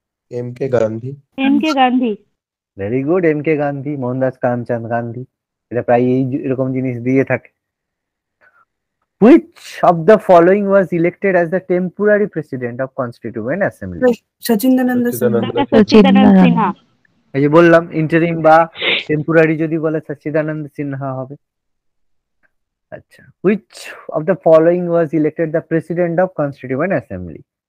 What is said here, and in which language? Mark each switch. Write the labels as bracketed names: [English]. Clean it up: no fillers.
[English] M.K. Gandhi. M.K. Gandhi. Very good. M.K. Gandhi. Mohandas Karamchand Gandhi. [Bangla] এটা প্রায় এই রকম জিনিস দিয়ে থাকে. [English] Which of the following was elected as the temporary president of Constituent Assembly? Sachidananda Sinha. [Bangla] এই যে বললাম interim বা temporary যদি বলে Sachidananda Sinha হবে. Achha. [English] Which of the following was elected the president of Constituent Assembly?